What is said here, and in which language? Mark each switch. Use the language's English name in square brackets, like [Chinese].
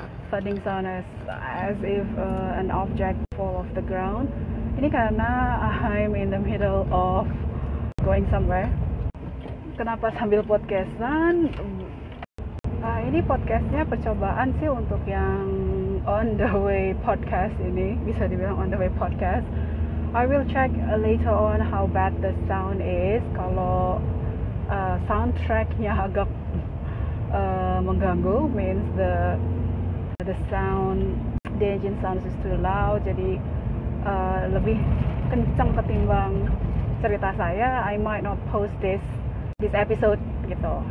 [Indonesian] Thudding sound as if an object fall off the ground. Ini karena [English] I'm in the middle of going somewhere. [Indonesian] Kenapa sambil podcastan? Ini podcastnya percobaan sih untuk yang [English] on the way podcast [Indonesian] ini. Bisa dibilang [English] on the way podcast. I will check later on how bad the sound is. [Indonesian] Kalau soundtracknya agak mengganggu, [English] means the sound, the engine sounds is too loud. [Indonesian] Jadi lebih kencang ketimbang cerita saya, [English] I might not post this episode [Indonesian] gitu.